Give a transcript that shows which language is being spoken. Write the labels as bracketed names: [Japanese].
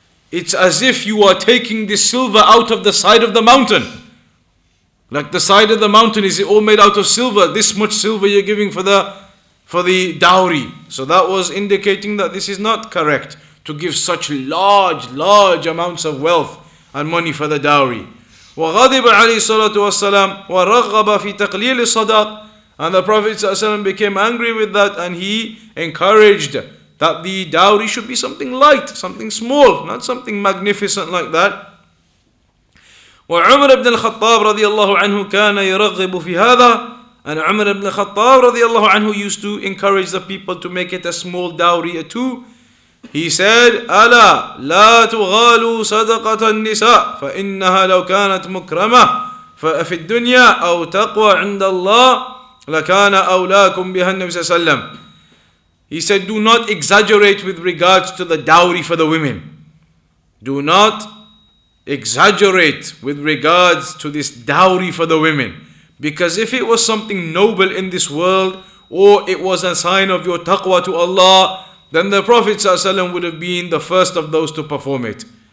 [English] It's as if you are taking this silver out of the side of the mountain. Like the side of the mountain, is it all made out of silver? This much silver you're giving for the dowry. So that was indicating that this is not correct to give such large amounts of wealth and money for the dowry. [Arabic] وغضب عليه الصلاة والسلام ورغب في تقليل الصدق. [English] And the Prophet ﷺ became angry with that, and he encouraged that the dowry should be something light, something small, not something magnificent like that. [Arabic] وعمر بن الخطاب رضي الله عنه كان يرغب في هذا. [English] And عمر بن الخطاب رضي الله عنه used to encourage the people to make it a small dowry too. He said, [Arabic] ألا لا تغالوا صدقة النساء فإنها لو كانت مكرمة ففي الدنيا أو تقوى عند الله لكان أولاكم بها النبي صلى الله عليه وسلم. [English] He said, do not exaggerate with regards to the dowry for the women. Do not exaggerate with regards to this dowry for the women. Because if it was something noble in this world, or it was a sign of your taqwa to Allah, then the Prophet ﷺ would have been the first of those to perform it.